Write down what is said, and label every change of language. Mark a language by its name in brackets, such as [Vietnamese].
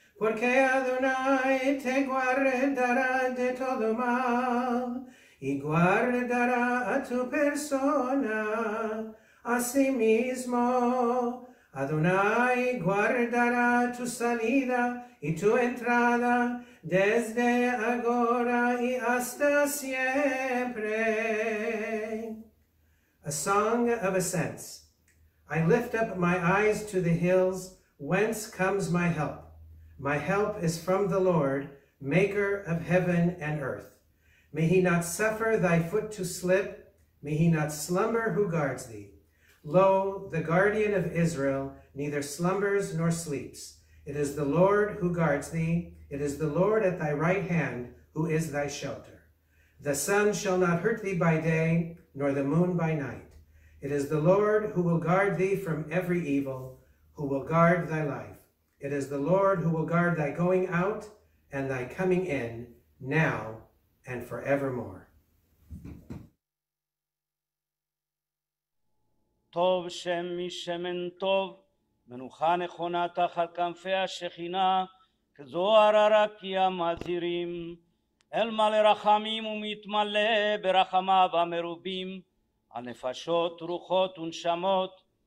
[Spanish] Porque Adonai te guardará de todo mal, y guardará a tu persona a sí mismo. Adonai guardará tu salida y tu entrada desde ahora y hasta siempre. [English] A song of ascents. I lift up my eyes to the hills. Whence comes my help? My help is from the Lord, maker of heaven and earth. May he not suffer thy foot to slip. May he not slumber who guards thee. Lo, the guardian of Israel neither slumbers nor sleeps. It is the Lord who guards thee. It is the Lord at thy right hand who is thy shelter. The sun shall not hurt thee by day, nor the moon by night. It is the Lord who will guard thee from every evil, who will guard thy life. It is the Lord who will guard thy going out and thy coming in, now and forevermore. [Hebrew] טוב שם משמן טוב, מנוחה נכונה תחת כנפי השכינה, כזוהר הרקיע מזהירים, אל מלא רחמים ומתמלא ברחמיו המרובים, על נפשות, רוחות ונשמות,